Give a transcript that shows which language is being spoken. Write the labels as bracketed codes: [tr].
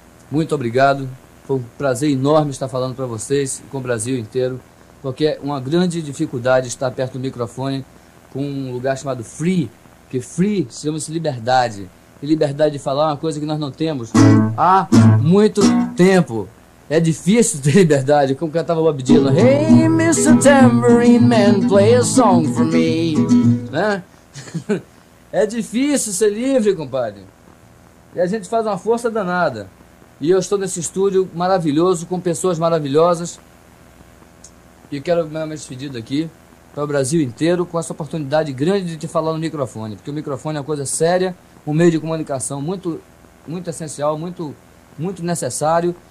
[pt] Muito obrigado, foi um prazer enorme estar falando para vocês, com o Brasil inteiro, porque é uma grande dificuldade estar perto do microfone, com um lugar chamado Free, que Free chama-se liberdade, e liberdade de falar é uma coisa que nós não temos há muito tempo. É difícil ter liberdade, como cantava Bob Dylan. [en] Hey, Mr. Tambourine Man, play a song for me. [pt] Né? É difícil ser livre, compadre. E a gente faz uma força danada. E eu estou nesse estúdio maravilhoso, com pessoas maravilhosas. E quero me despedir daqui, para o Brasil inteiro, com essa oportunidade grande de te falar no microfone. Porque o microfone é uma coisa séria, um meio de comunicação muito, muito essencial, muito, muito necessário.